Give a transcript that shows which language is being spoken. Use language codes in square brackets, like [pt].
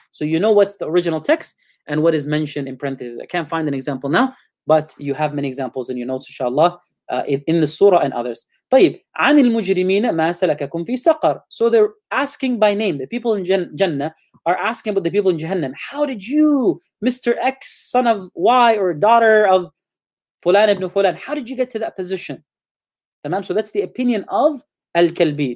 [en] So you know what's the original text and what is mentioned in parentheses. I can't find an example now, but you have many examples in your notes, inshallah, in the surah and others. [ar] طيب, عن المجرمين ما سلككم في سقر. [en] So they're asking by name. The people in Jannah are asking about the people in Jahannam. How did you, Mr. X, son of Y, or daughter of Fulan ibn Fulan, how did you get to that position? [ar] تمام? [en] So that's the opinion of Al-Kalbi.